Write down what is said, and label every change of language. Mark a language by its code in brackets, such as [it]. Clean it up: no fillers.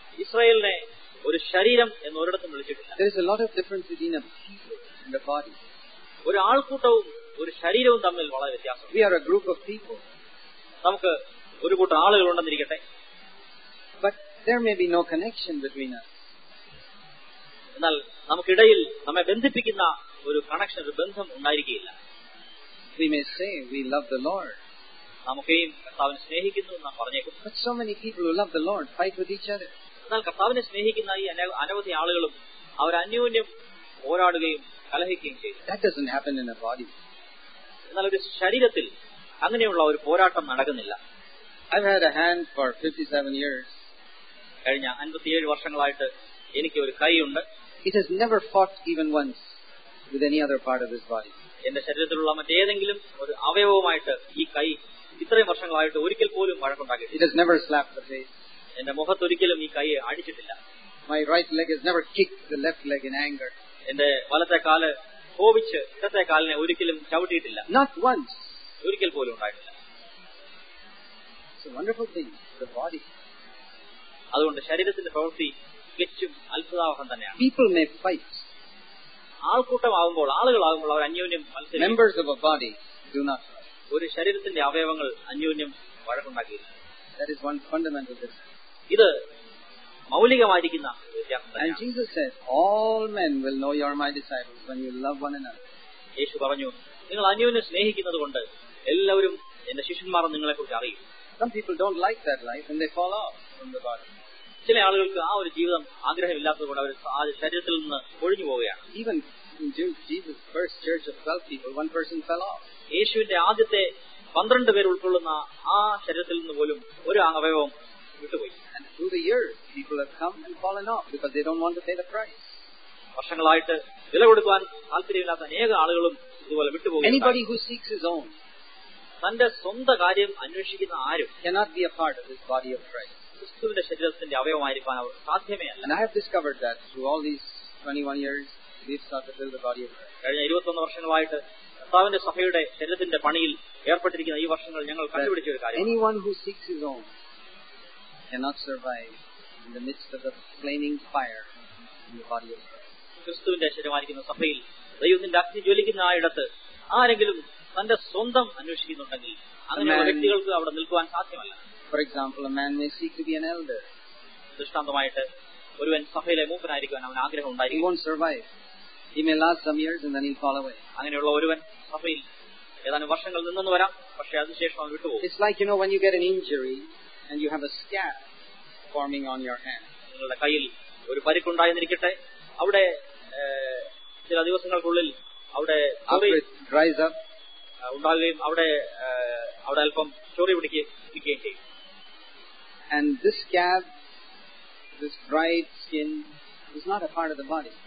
[ml] ഇസ്രായേലിനെ ഒരു ശരീരം എന്ന് ഒരിടത്തും വിളിച്ചിട്ടില്ല. [en] There is a lot of difference between a people and a body. [ml] ഒരു ആൾക്കൂട്ടവും ഒരു ശരീരവും തമ്മിൽ വളരെ വ്യത്യാസമുണ്ട്. [en] We are a group of people. [ml] നമുക്ക് ഒരു കൂട്ടം ആളുകൾ ഉണ്ടെന്നിരിക്കട്ടെ. [en] But there may be no connection between us. [ml] എന്നാൽ നമുക്കിടയിൽ നമ്മെ ബന്ധിപ്പിക്കുന്ന ഒരു കണക്ഷൻ, ഒരു ബന്ധം ഉണ്ടായിരിക്കില്ല. [en] We may say we love the Lord. [ml] നമുക്കെയും കർത്താവിനെ സ്നേഹിക്കുന്നു എന്ന് പറഞ്ഞേക്കും. [en] But so many people who love the Lord fight with each other. [ml] എന്നാൽ കർത്താവിനെ സ്നേഹിക്കുന്ന ഈ അനവധി ആളുകളും അവർ അന്യോന്യം പോരാടുകയും കലഹിക്കുകയും ചെയ്യും. [en] That doesn't happen in a body. [ml] എന്നാൽ ഒരു ശരീരത്തിൽ അങ്ങനെയുള്ള ഒരു പോരാട്ടം നടക്കുന്നില്ല. [en] I've had a hand for 57 years. [ml] കഴിഞ്ഞ 57 വർഷങ്ങളായിട്ട് എനിക്ക് ഒരു കൈയുണ്ട്. [en] It has never fought even once with any other part of his body. [ml] എന്റെ ശരീരത്തിലുള്ള മറ്റേതെങ്കിലും ഒരു അവയവവുമായിട്ട് ഈ കൈ ഇത്രയും വർഷങ്ങളായിട്ട് ഒരിക്കൽ പോലും വഴക്കുണ്ടാക്കിയിട്ടില്ല. [en] It has never slapped the face. [ml] എന്റെ മുഖത്തൊരിക്കലും ഈ കൈ അടിച്ചിട്ടില്ല. [en] My right leg has never kicked the left leg in anger. [ml] എന്റെ വലത്തെ കാല് കോപിച്ച് ഇടത്തെ കാലിനെ ഒരിക്കലും ചവിട്ടിയിട്ടില്ല. [en] Not once. [ml] ഒരിക്കൽ പോലും ഉണ്ടായിട്ടില്ല. [en] It's a wonderful thing, the body. [ml] അതുകൊണ്ട് ശരീരത്തിന്റെ പ്രവൃത്തി തികച്ചും അത്ഭുതാവഹം തന്നെയാണ്. [en] People may fight. [ml] ആൾക്കൂട്ടമാകുമ്പോൾ ആളുകളാകുമ്പോൾ അവർ അന്യോന്യം മത്സരിക്കും. [en] Members of a body do not fight. [ml] ഒരു ശരീരത്തിന്റെ അവയവങ്ങൾ അന്യോന്യം വഴക്കുണ്ടാക്കില്ല. [en] That is one fundamental difference. [ml] ഇത് മൗലികമായിരിക്കുന്ന വ്യത്യാസം. [en] Jesus said, all men will know you are my disciples when you love one another. [ml] യേശു പറഞ്ഞു, നിങ്ങൾ അന്യോന്യം സ്നേഹിക്കുന്നതുകൊണ്ട് എല്ലാവരും എന്റെ ശിഷ്യന്മാർ നിങ്ങളെക്കുറിച്ച് അറിയും. [en] Some people don't like that life and they fall off from the body. [ml] ചില ആളുകൾക്ക് ആ ഒരു ജീവിതം ആഗ്രഹമില്ലാത്തത് കൊണ്ട് അവർ ആ ശരീരത്തിൽ നിന്ന് ഒഴിഞ്ഞു പോവുകയാണ്. [en] Even Jesus first church of 12 people, one person fell off. [ml] യേശുവിന്റെ ആദ്യത്തെ 12 പേർ ഉൾക്കൊള്ളുന്ന ആ ശരീരത്തിൽ നിന്ന് പോലും ഒരു അവയവം വിട്ടുപോയി. [en] Through the years, people have come and fallen off because they don't want to pay the price. [ml] വർഷങ്ങളായിട്ട് വില കൊടുക്കാൻ താല്പര്യമില്ലാത്ത അനേക ആളുകളും ഇതുപോലെ വിട്ടുപോയി. [en] Anybody who seeks his own, [ml] തന്റെ സ്വന്തം കാര്യം അന്വേഷിക്കുന്ന ആരും, [en] cannot be a part of this body of Christ. [ml] ക്രിസ്തുവിന്റെ ശരീരത്തിന്റെ അവയവമായിരിക്കാൻ അവർ സാധ്യമേയല്ല. [en] And I have discovered that through all these 21 years we've started to build the body of Christ. [ml] കഴിഞ്ഞ 21 വർഷങ്ങളായിട്ട് കർത്താവിന്റെ സഭയുടെ ശരീരത്തിന്റെ പണിയിൽ ഏർപ്പെട്ടിരിക്കുന്ന ഈ വർഷങ്ങൾ ഞങ്ങൾ കണ്ടുപിടിച്ച ഒരു കാര്യം. [en] Anyone who seeks his own cannot survive in the midst of the flaming fire in the body of Christ. [ml] ക്രിസ്തുവിന്റെ ശരീരമായിരിക്കുന്ന സഭയിൽ ദൈവത്തിന്റെ അഗ്നി ജ്വലിക്കുന്ന ആയിടത്ത് ആരെങ്കിലും തന്റെ സ്വന്തം അന്വേഷിക്കുന്നുണ്ടെങ്കിൽ അങ്ങനെയുള്ള വ്യക്തികൾക്ക് അവിടെ നിൽക്കുവാൻ സാധ്യമല്ല. [en] For example, a man may seek to be an elder. [ml] ദൃഷ്ടാന്തമായിട്ട് ഒരുവൻ സഭയിലെ മൂപ്പനായിരിക്കാൻ അവൻ ആഗ്രഹമുണ്ടായിരിക്കും. [en] He won't survive. He may last some years and then he'll fall away. [ml] അങ്ങനെയുള്ള ഒരുവൻ സഭയിൽ ഏതാനും വർഷങ്ങൾ നിന്നെന്ന് വരാം, പക്ഷേ അതിനുശേഷം അവൻ വിട്ടുപോകും. [en] It's like, you know, when you get an injury and you have a scab forming on your hand. [ml] നിങ്ങളുടെ കയ്യിൽ ഒരു പരിക്കുണ്ടായിരിക്കട്ടെ, അവിടെ ചില ദിവസങ്ങൾക്കുള്ളിൽ അവിടെ [en] dries up. [ml] ഉണ്ടാകുകയും അവിടെ അവിടെ അല്പം ചോറി പിടിക്കുകയും ചെയ്യും. [en] And this scab, this dried skin, is not a part of the body.